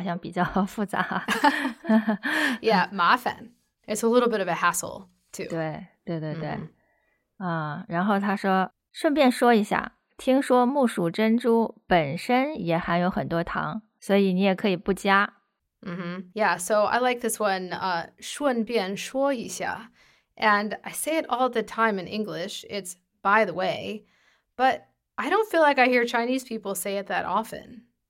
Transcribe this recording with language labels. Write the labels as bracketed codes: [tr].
[zh] 对,我觉得好像也挺简单,但有些时候做起来好像比较复杂。 Yeah, [en] 麻烦, it's a little bit of a hassle too. [zh] 对,对对对。然后他说, 顺便说一下,听说木薯珍珠本身也含有很多糖,所以你也可以不加。Mm-hmm. [en] Yeah, so I like this one, [zh] 顺便说一下. [en] And I say it all the time in English, it's by the way, but I don't feel like I hear Chinese people say it that often.